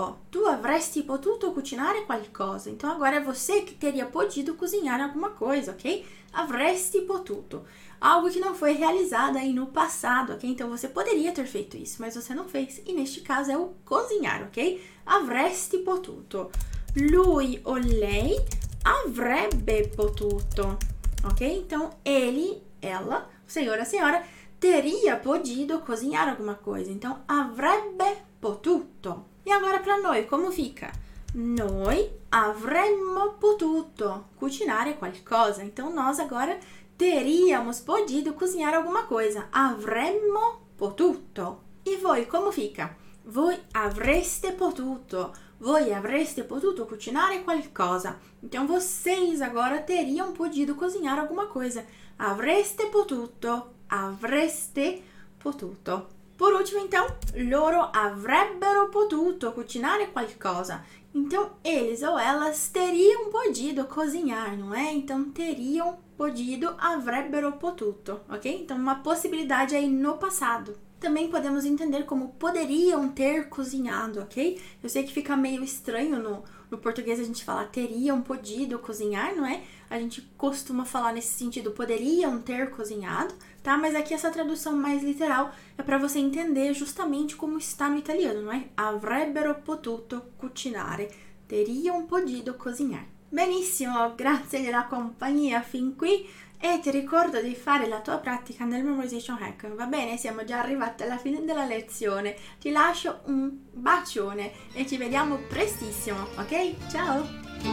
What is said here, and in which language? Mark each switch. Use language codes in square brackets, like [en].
[it] Tu avresti potuto cucinare qualcosa. [pt] Então, agora é você que teria podido cozinhar alguma coisa, ok? [it] Avresti potuto. [pt] Algo que não foi realizado aí no passado, ok? Então, você poderia ter feito isso, mas você não fez. E, neste caso, é o cozinhar, ok? [it] Avresti potuto. Lui o lei avrebbe potuto, ok? [pt] Então, ele, ela, o senhor, a senhora, teria podido cozinhar alguma coisa. Então, [it] avrebbe potuto. [pt] E agora, para noi, como fica? [it] Noi avremmo potuto cucinare qualcosa. [pt] Então, nós agora teríamos podido cozinhar alguma coisa. [it] Avremmo potuto. [pt] E voi, como fica? [it] Voi avreste potuto. Voi avreste potuto cucinare qualcosa. [pt] Então, vocês agora teriam podido cozinhar alguma coisa. [it] Avreste potuto. Avreste potuto. [pt] Por último, então, [it] loro avrebbero potuto cucinare qualcosa. [pt] Então, eles ou elas teriam podido cozinhar, não é? Então, teriam podido, [it] avrebbero potuto, [pt] ok? Então, uma possibilidade aí no passado. Também podemos entender como poderiam ter cozinhado, ok? Eu sei que fica meio estranho no português a gente fala teriam podido cozinhar, não é? A gente costuma falar nesse sentido, poderiam ter cozinhado, tá? Mas aqui essa tradução mais literal é para você entender justamente como está no italiano, não é? [it] Avrebbero potuto cucinare. [pt] Teriam podido cozinhar. [it] Benissimo, grazie della compagnia fin qui. E ti ricordo di fare la tua pratica nel Memorization Hack. Va bene, siamo già arrivati alla fine della lezione. Ti lascio un bacione e ci vediamo prestissimo, ok? Ciao!